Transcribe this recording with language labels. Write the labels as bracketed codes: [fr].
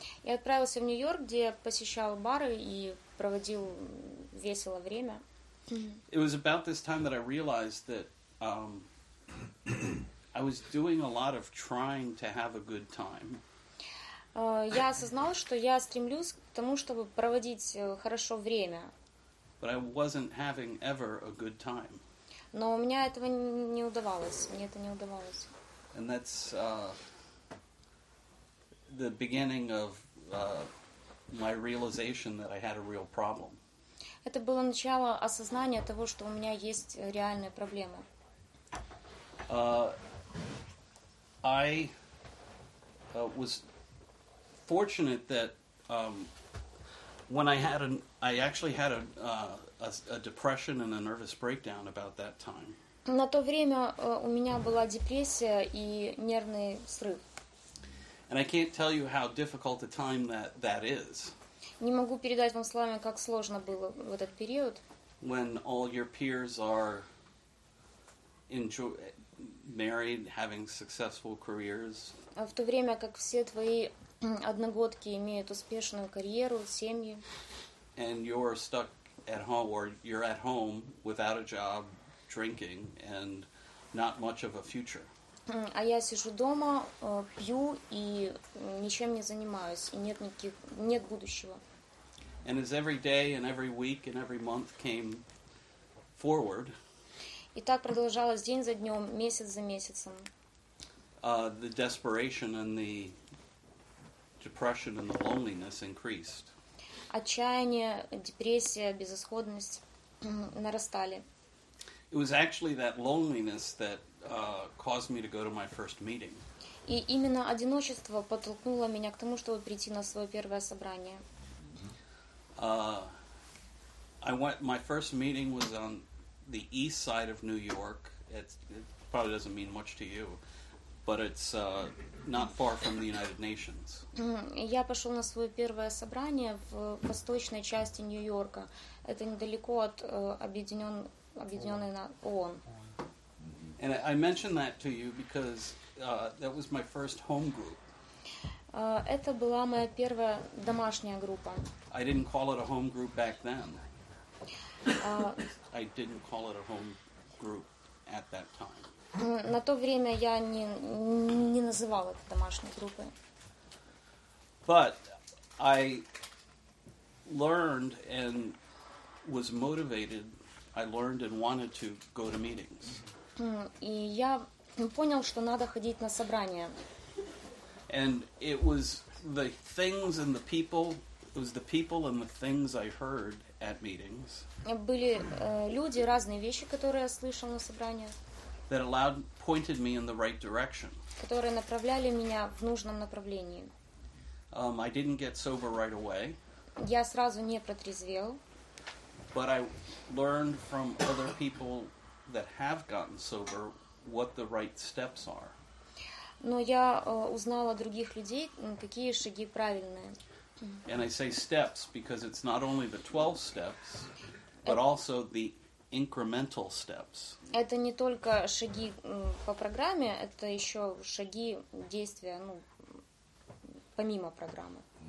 [ru] Я отправился в Нью-Йорк, где посещал бары и проводил весело время. [en] It was about this time that I realized that I was doing a lot of trying to have a good time. [ru] Я осознал, что я стремлюсь к тому, чтобы проводить хорошо время. [en] But I wasn't having ever a good time. [ru] Но у меня этого не удавалось. Мне это не удавалось. [en] And that's the beginning of my realization that I had a real problem. [ru] Это было начало осознания того, что у меня есть реальная проблема. [en] I was fortunate that when I had a depression and a nervous breakdown about that time. [ru] На то время у меня была депрессия и нервный срыв. [en] And I can't tell you how difficult a time that is. [ru] Не могу передать вам словами, как сложно было в этот период. [en] When all your peers are married, having successful careers. [ru] В то время, как все твои одногодки имеют успешную карьеру, семьи. [en] And you're stuck at home, or you're at home without a job, drinking, and not much of a future. [ru] А я сижу дома, пью и ничем не занимаюсь, и нет будущего. [en] And as every day and every week and every month came forward. [ru] И так продолжалось день за днем, месяц за месяцем. [en] The desperation and the depression and the loneliness increased. [ru] Отчаяние, депрессия, безысходность нарастали. [en] It was actually that loneliness that caused me to go to my first meeting. [ru] И именно одиночество подтолкнуло меня к тому, чтобы прийти на свое первое собрание. [en] My first meeting was on the east side of New York. It probably doesn't mean much to you, but it's not far from the United Nations. [ru] Я пошел на свое первое собрание в восточной части Нью-Йорка. Это недалеко от Объединенной ООН. [en] And I mentioned that to you because that was my first home group. [ru] Это была моя первая домашняя группа. [en] I didn't call it a home group back then. I didn't call it a home group at that time. [ru] На то время я не называл это домашней группой. [en] But I learned and was motivated. I learned and wanted to go to meetings. [ru] И я понял, что надо ходить на собрания. [en] And it was the things and the people. It was the people and the things I heard at meetings. [ru] Были люди, разные вещи, которые я слышал на собраниях. [en] That allowed pointed me in the right direction. [ru] Которые направляли меня в нужном направлении. [en] I didn't get sober right away. [ru] Я сразу не протрезвел. [en] But I learned from other people that have gotten sober what the right steps are. [ru] Но я узнал от других людей, какие шаги правильные. [en] And I say steps because it's not only the 12 steps, but also the incremental steps. [ru] Это не только шаги по программе, это еще шаги действия, помимо программы.